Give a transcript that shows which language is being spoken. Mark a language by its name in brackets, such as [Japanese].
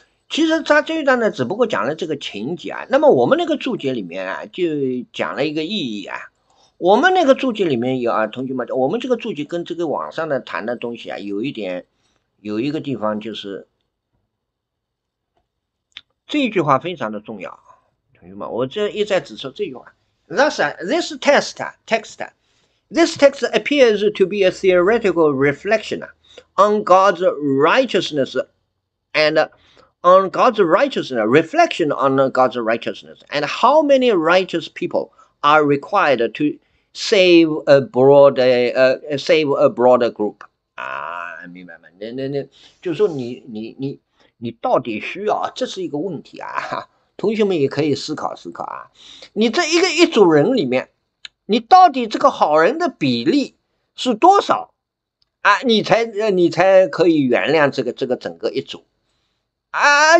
[Chinese] 其实他这一段呢，只不过讲了这个情节啊。那么我们那个注解里面啊，就讲了一个意义啊。我们那个注解里面有啊，同学们，我们这个注解跟这个网上的谈的东西啊，有一点，有一个地方就是这一句话非常的重要。同学们，我这一再指出这句话。 [English] Thus, this text, text, this text appears to be a theoretical reflection on God's righteousness and on God's righteousness, reflection on God's righteousness, and how many righteous people are required to save a broader group. [Chinese] 明白吗？那，就是说你到底需要，这是一个问题啊。同学们也可以思考思考啊，你这一个一组人里面，你到底这个好人的比例是多少啊？你才可以原谅这个整个一组啊？